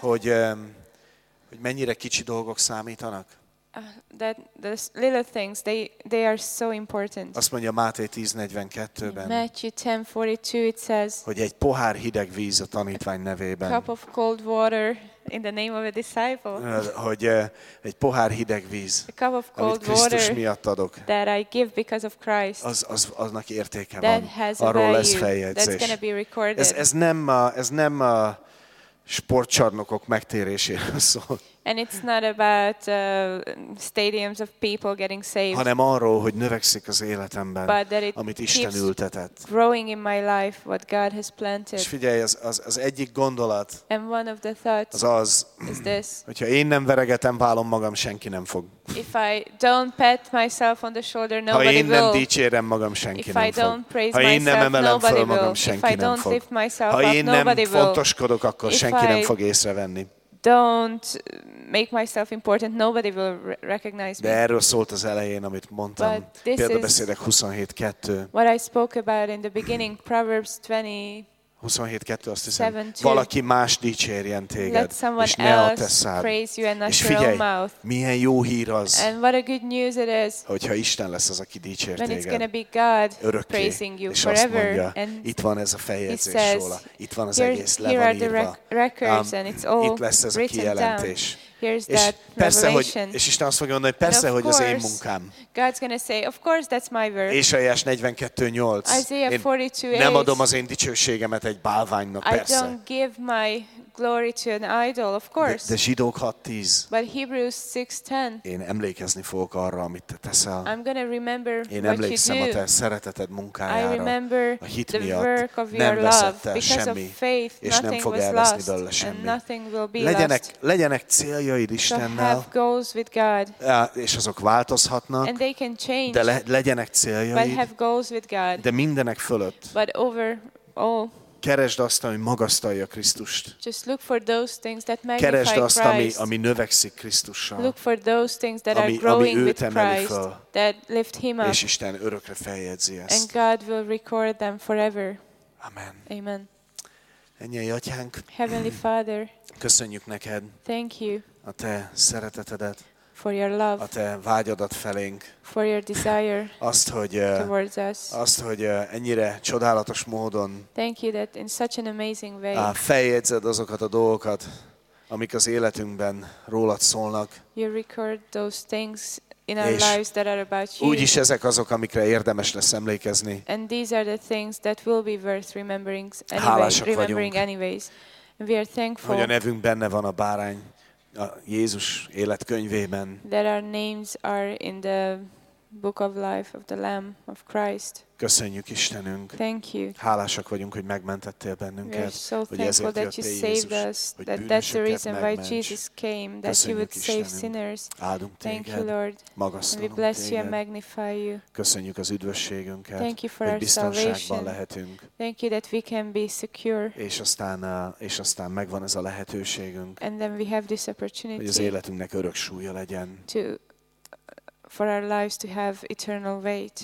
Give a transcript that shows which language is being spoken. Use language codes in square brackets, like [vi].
[hu] Hogy mennyire kicsi dolgok számítanak? [en] That the little things they are so important. [hu] Azt mondja Máté 10:42-ben. [en] Matthew 10:42 it says. [hu] Hogy egy pohár hideg víz a tanítvány nevében. [en] A cup of cold water in the name of a disciple. [hu] Hogy egy pohár hideg víz. [en] A cup of cold water. [hu] Krisztus miatt adok. [en] That I give because of Christ. [hu] Az annak értéke van. [en] That has a [hu] arról [en] value. [hu] Lesz feljegyzés. [en] That's going to be recorded. [hu] Ez nem a sportcsarnokok megtéréséről szól. [en] And it's not about stadiums of people getting saved. [hu] Hanem arról, hogy növekszik az életemben, amit Isten ültetett. [en] Growing in my life what God has planted. [hu] És figyelj, az egyik gondolat. [en] And one of the thoughts [hu] az az, [en] is this. [hu] Hogyha én nem veregetem vállom magam, senki nem fog. [en] If I don't pat myself on the shoulder, nobody will. [hu] Ha én nem dicsérem magam, senki nem fog. [en] If I don't praise [hu] ha [en] myself, nobody will. [hu] Ha én nem emelem fel magam, senki nem fog. [en] If I don't lift myself [hu] ha [en] up, [hu] én nem fontoskodok, akkor senki nem fog észrevenni. [en] Don't make myself important. Nobody will recognize me. [hu] De erről szólt az elején, amit mondtam. Példabeszédek 27:2. [en] What I spoke about in the beginning, Proverbs 20. [hu] 27:2 azt hiszem. 7-2. Valaki más dicsérjen téged, és ne a te szád. [en] Praise you and not [hu] és figyelj, [en] your own mouth. [hu] Milyen jó hír az, [en] and what a good news it is, [hu] hogyha Isten lesz az, aki dicsér téged. [en] It's gonna be God [hu] örökké. [en] Praising you [hu] és [en] forever. [hu] Azt mondja, [en] and [hu] itt van ez a fejezés [en] he says, [hu] róla. Itt van az egész, le van írva. Itt lesz ez a kijelentés. [en] Here's [hu] és [en] that [hu] persze, [en] revelation. [hu] Hogy, és Isten azt fogja mondani, hogy persze, hogy az én munkám. [en] God's gonna say, of course that's my work. [hu] Ésaiás 42:8. Nem adom az én dicsőségemet egy bálványnak, persze. [en] I don't give my glory to an idol, of course. [hu] De Zsidók 6:10. [en] But Hebrews 6:10. [hu] Én emlékezni fogok arra, amit te teszel. [en] I'm gonna remember [hu] én emlékszem [en] what you [hu] a te szereteted munkájára. [en] I remember [hu] a hit [en] the [hu] miatt [en] work of [hu] nem [en] your love. [hu] Semmi, [en] because of faith, nothing was lost. And nothing will be [hu] legyenek, [en] lost. [hu] Legyenek céljaid Istennel. [en] So have goals with God. [hu] És azok változhatnak. [en] And they can change. [hu] De legyenek céljaid. [en] But have goals with God. [hu] De mindenek fölött. [en] But over all. [hu] Keresd azt, ami magasztalja Krisztust. [en] Just look for those things that magnify [hu] keresd azt, [en] Christ. [hu] Ami növekszik Krisztussal. [en] Look for those things that [hu] ami, [en] are growing with Christ. [hu] Fel, [en] that lift him up. [hu] És Isten örökre feljegyzi ezt. [en] And God will record them forever. [hu] Amen. [en] Amen. [hu] Ennyi, Atyánk. [en] Heavenly Father. [hu] Köszönjük neked. [en] Thank you. [hu] A te szeretetedet. [en] For your love. [hu] A te vágyadat felénk. [en] For your desire. [hu] Azt, hogy [en] towards us. [hu] Azt, hogy ennyire csodálatos módon. [en] Thank you that in such an amazing way. [hu] Feljegyzed azokat a dolgokat, amik az életünkben rólad szólnak. [en] You record those things in our lives that are about you. [hu] Úgyis ezek azok, amikre érdemes lesz emlékezni. [en] And these are the things that will be worth remembering anyway. [hu] Hálásak [en] remembering [hu] vagyunk. [en] Anyways. We are thankful. [hu] Hogy a nevünk benne van a bárány. A Jézus életkönyvében. [en] That our names are in the book of life of the Lamb of Christ. [hu] Köszönjük Istenünk. [en] Thank you. [hu] Hálásak vagyunk, hogy megmentettél bennünket. [en] We are so thankful that you saved us. That that's the reason why Jesus came, that you would save sinners. [hu] Áldunk téged. [en] Thank you, Lord. [hu] Magasztalunk téged. [en] We bless you and magnify you. [hu] Köszönjük az üdvösségünket. [en] Thank you for our [hu] biztonságban lehetünk. [en] Thank you that we can be secure. [hu] És aztán megvan ez a lehetőségünk. [en] And then we have this opportunity. [hu] Hogy az életünknek örök súlya legyen. [en] To for our lives to have eternal weight.